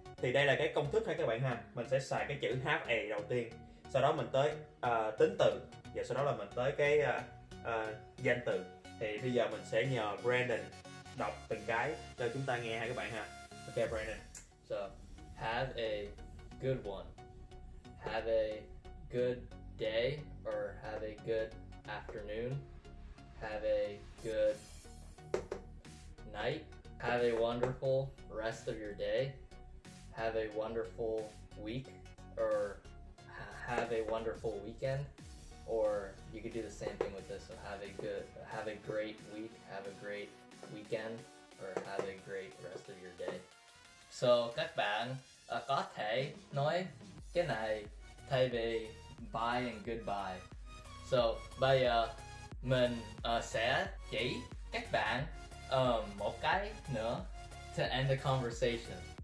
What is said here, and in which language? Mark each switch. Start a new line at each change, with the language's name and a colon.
Vietnamese: Thì đây là cái công thức ha các bạn ha. Mình sẽ xài cái chữ have a đầu tiên, sau đó mình tới tính từ, và sau đó là mình tới cái danh từ. Thì bây giờ mình sẽ nhờ Brandon đọc từng cái cho chúng ta nghe ha các bạn ha.
English: Ok Brandon. So, have a good one. Have a good day or have a good afternoon. Have a good night. Have a wonderful rest of your day. Have a wonderful week or have a wonderful weekend. Or you could do the same thing with this. So have a good, have a great week, have a great weekend, or have a great rest of your day.
Vietnamese: So các bạn có thể nói cái này thay vì bye and goodbye. So bây giờ mình sẽ chỉ các bạn một cái nữa
English: to end the conversation.